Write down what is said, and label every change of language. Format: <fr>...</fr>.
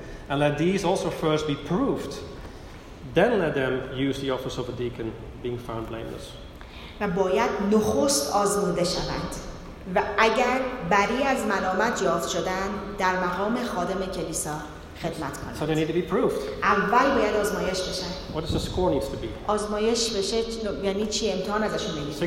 <en>And let these also first be proved, then let them use the office of a deacon, being found blameless.</en> <fa>و باید نخست آزموده شوند و اگر بری از ملامت یافت شدند در مقام خادم کلیسا خدمت کنند.</fa> <en>So they need to be proved.</en> <fa>اول باید آزمایش بشه.</fa> <en>What does the score needs to be?</en> <fa>آزمایش بشه یعنی چی؟ امتحان ازشون بگیری.</fa>